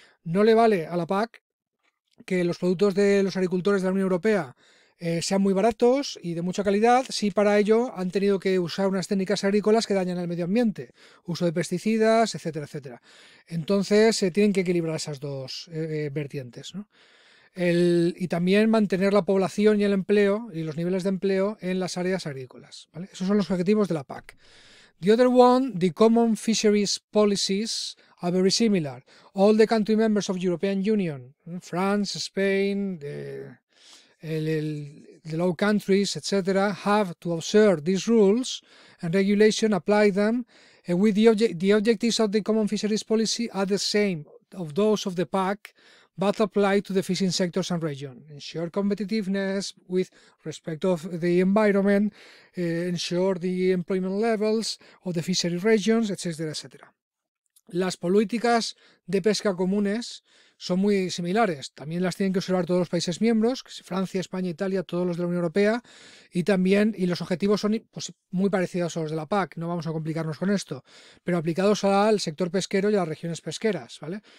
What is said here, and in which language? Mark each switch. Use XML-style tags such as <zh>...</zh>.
<es>No le vale a la PAC que los productos de los agricultores de la Unión Europea sean muy baratos y de mucha calidad, si para ello han tenido que usar unas técnicas agrícolas que dañan el medio ambiente, uso de pesticidas, etcétera, etcétera. Entonces se tienen que equilibrar esas dos vertientes, ¿no? Y también mantener la población y el empleo y los niveles de empleo en las áreas agrícolas, ¿vale? Esos son los objetivos de la PAC.</es> <en>The other one, the common fisheries policies, are very similar. All the country members of European Union, France, Spain, the low countries, etc., have to observe these rules and regulation, apply them, and with the objectives of the common fisheries policy are the same of those of the PAC, but apply to the fishing sectors and region. Ensure competitiveness with respect of the environment, ensure the employment levels of the fishery regions, etc., etc.</en> <es>Las políticas de pesca comunes son muy similares. También las tienen que observar todos los países miembros, Francia, España, Italia, todos los de la Unión Europea, y los objetivos son pues, muy parecidos a los de la PAC, no vamos a complicarnos con esto, pero aplicados al sector pesquero y a las regiones pesqueras, ¿vale?</es>